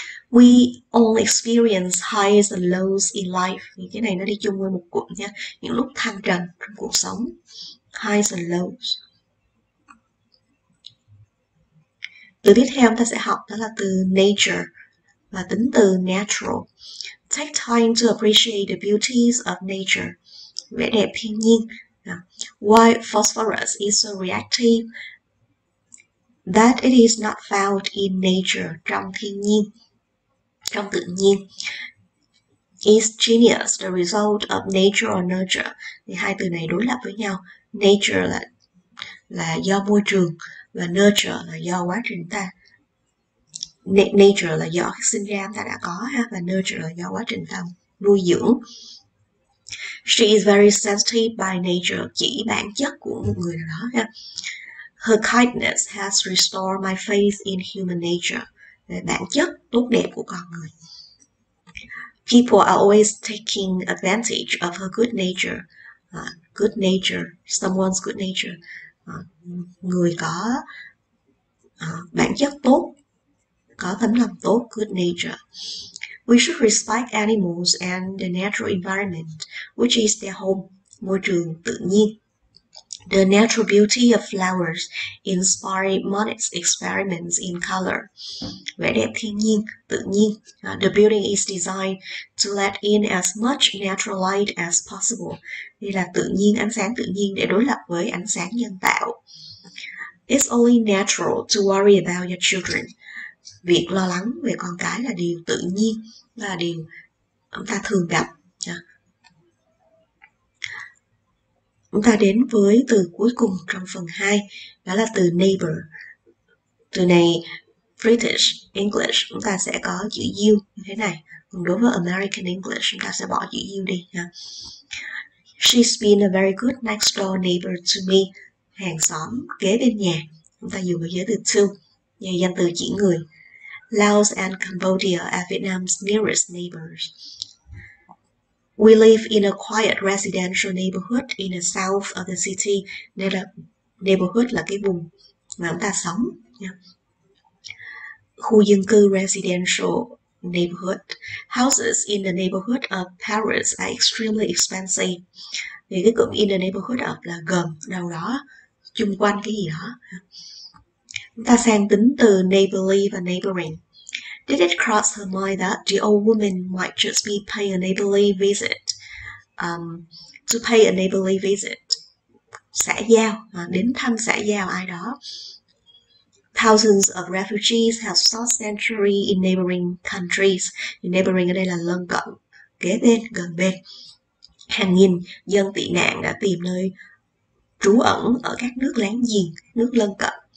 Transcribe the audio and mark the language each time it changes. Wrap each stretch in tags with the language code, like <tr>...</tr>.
<en>We all experience highs and lows in life.</en> <vi>Cái này nó đi chung với một cụm nhé. Những lúc thăng trầm trong cuộc sống.</vi> <en>Highs and lows.</en> <vi>Từ tiếp theo chúng ta sẽ học đó là từ nature. Và tính từ natural.</vi> <en>Take time to appreciate the beauties of nature.</en> <vi>Vẻ đẹp thiên nhiên.</vi> <en>Why phosphorus is so reactive? That it is not found in nature.</en> <vi>Trong thiên nhiên. Trong tự nhiên.</vi> <en>Is genius the result of nature or nurture?</en> <vi>Thì hai từ này đối lập với nhau. Nature là do môi trường và nurture là do quá trình ta. Nature là do sinh ra ta đã có ha, và nurture là do quá trình ta nuôi dưỡng.</vi> <en>She is very sensitive by nature.</en> <vi>Chỉ bản chất của một người nào đó ha.</vi> <en>Her kindness has restored my faith in human nature.</en> <vi>Bản chất tốt đẹp của con người.</vi> <en>People are always taking advantage of her good nature. Good nature, someone's good nature.</en> <vi>Người có bản chất tốt, có tấm lòng tốt, good nature.</vi> <en>We should respect animals and the natural environment, which is their home,</en> <vi>môi trường tự nhiên.</vi> <en>The natural beauty of flowers inspired Monet's experiments in color.</en> <vi>Vẻ đẹp thiên nhiên, tự nhiên.</vi> <en>The building is designed to let in as much natural light as possible.</en> <vi>Đây là tự nhiên, ánh sáng tự nhiên để đối lập với ánh sáng nhân tạo.</vi> <en>It's only natural to worry about your children.</en> <vi>Việc lo lắng về con cái là điều tự nhiên, là điều chúng ta thường gặp. Chúng ta đến với từ cuối cùng trong phần 2, đó là từ neighbor. Từ này, British English, chúng ta sẽ có chữ you như thế này. Còn đối với American English, chúng ta sẽ bỏ chữ you đi.</vi> <en>She's been a very good next door neighbor to me.</en> <vi>Hàng xóm kế bên nhà. Chúng ta dùng cái giới từ to, nhà danh từ chỉ người.</vi> <en>Laos and Cambodia are Vietnam's nearest neighbors. We live in a quiet residential neighborhood in the south of the city.</en> <vi>Neighborhood là cái vùng mà chúng ta sống. Khu dân cư residential neighborhood.</vi> <en>Houses in the neighborhood of Paris are extremely expensive.</en> <vi>Thì cái cụm</vi> <en>in the neighborhood of</en> <vi>là gần, đâu đó, chung quanh cái gì đó. Chúng ta sang tính từ neighborly và neighboring.</vi> <en>Did it cross her mind that the old woman might just be paying a neighborly visit? To pay a neighborly visit.</en> <vi>Xã giao, đến thăm xã giao ai đó.</vi> <en>Thousands of refugees have sought sanctuary in neighboring countries.</en> <vi>Neighboring ở đây là lân cận, kế bên, gần bên. Hàng nghìn dân tị nạn đã tìm nơi trú ẩn ở các nước láng giềng, nước lân cận.</vi>